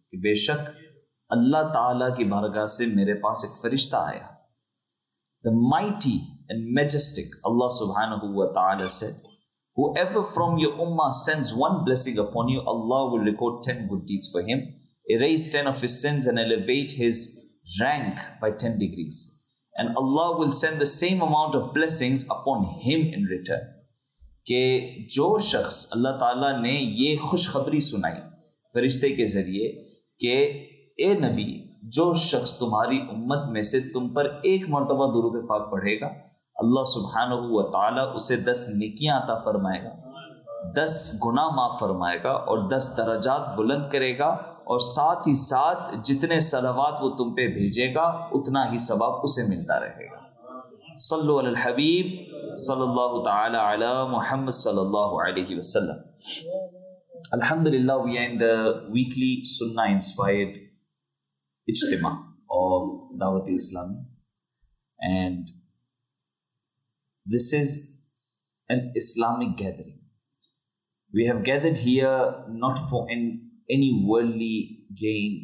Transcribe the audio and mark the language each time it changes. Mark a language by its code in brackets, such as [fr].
[ur] کہ بے شک اللہ تعالیٰ کی بارگاہ سے میرے پاس ایک فرشتہ آیا. [en] The mighty and majestic Allah subhanahu wa ta'ala said, whoever from your ummah sends one blessing upon you, Allah will record 10 good deeds for him, erase 10 of his sins and elevate his rank by 10 degrees. And Allah will send the same amount of blessings upon him in return." [ur] کہ جو شخص اللہ تعالیٰ نے یہ خوشخبری سنائی فرشتے کے ذریعے کہ اے نبی, جو شخص تمہاری امت میں سے تم پر ایک مرتبہ درود پاک پڑھے گا, اللہ سبحانہ و تعالی اسے 10 نیکیاں عطا فرمائے گا, 10 گناہ معاف فرمائے گا اور 10 درجات بلند کرے گا, اور ساتھ ہی ساتھ جتنے صلوات وہ تم پہ بھیجے گا اتنا ہی ثواب اسے ملتا رہے گا. [ar] صلو علی الحبیب صلی اللہ تعالی علی محمد صلی اللہ علیہ وسلم. [en] Alhamdulillah, we are in the weekly Sunnah-inspired ijtima of Dawat-e-Islami. And this is an Islamic gathering. We have gathered here not for any worldly gain.